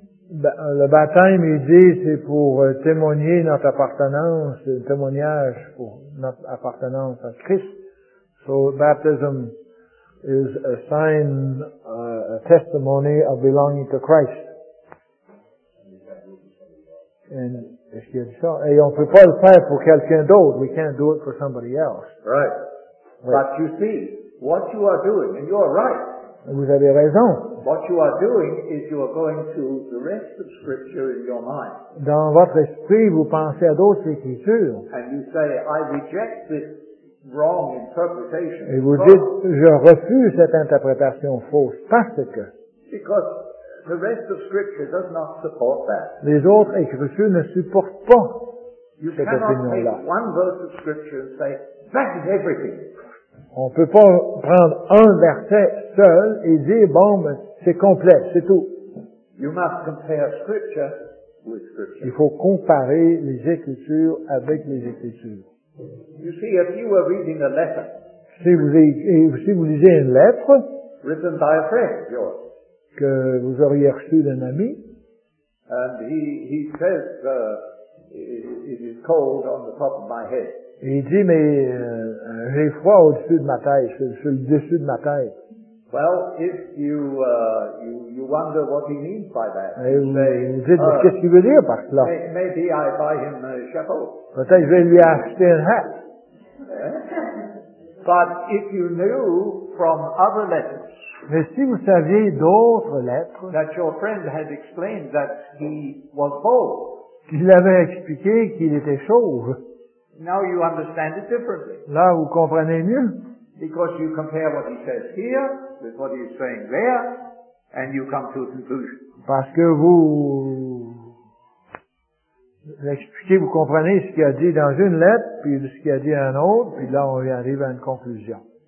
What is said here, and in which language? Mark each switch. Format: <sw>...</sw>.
<fr>Le baptême, il dit, c'est pour témoigner notre appartenance, un témoignage pour notre appartenance à Christ.</fr> <en>So, baptism is a sign, a testimony of belonging to Christ.</en> <fr>And, est-ce qu'il y a dit ça? Et on ne peut pas le faire pour quelqu'un d'autre.</fr> <en>We can't do it for somebody else. Right. But you see, what you are doing, and you are right.</en> <fr>Vous avez raison.</fr> <en>What you are doing is you are going to the rest of Scripture in your mind.</en> <fr>Dans votre esprit, vous pensez à d'autres écritures.</fr> <en>And you say, I reject this wrong interpretation.</en> <fr>Et vous dites, je refuse cette interprétation fausse parce que.</fr> <en>Because the rest of Scripture does not support that.</en> <fr>Les autres écritures ne supportent pas</fr> <en>you</en> <fr>cette opinion-là.</fr> <en>You cannot take one verse of Scripture and say that is everything.</en> <fr>On peut pas prendre un verset seul et dire, bon, ben, c'est complet, c'est tout.</fr> <en>You must compare scripture with scripture.</en> <fr>Il faut comparer les Écritures avec les Écritures.</fr> <en>You see, if you were reading a letter,</en> <fr>si vous lisez une lettre</fr> <en>written by a friend of yours,</en> <fr>que vous auriez reçue d'un ami,</fr> <en>and he says, it is cold on the top of my head.</en> <fr>Il dit, mais j'ai froid au-dessus de ma tête, sur le dessus de ma tête.</fr> <en>Well, if you wonder what he means by that,</en> <fr>qu'est-ce qu'il veut dire par cela?</fr> <en>Maybe I buy him a chapeau.</en> <fr>Peut-être je vais lui acheter un hat.</fr> <en>But if you knew from other letters,</en> <fr>mais si vous saviez d'autres lettres,</fr> <en>that your friend had explained that he was bald,</en> <fr>qu'il avait expliqué qu'il était chauve,</fr> <en>now you understand it differently.</en> <fr>Là, vous comprenez mieux.</fr> <en>Because you compare what he says here with what he is saying there, and you come to a conclusion.</en> <fr>Parce que vous l'expliquez, vous comprenez ce qu'il a dit dans une lettre, puis ce qu'il a dit dans une autre, puis là on arrive à une conclusion.</fr>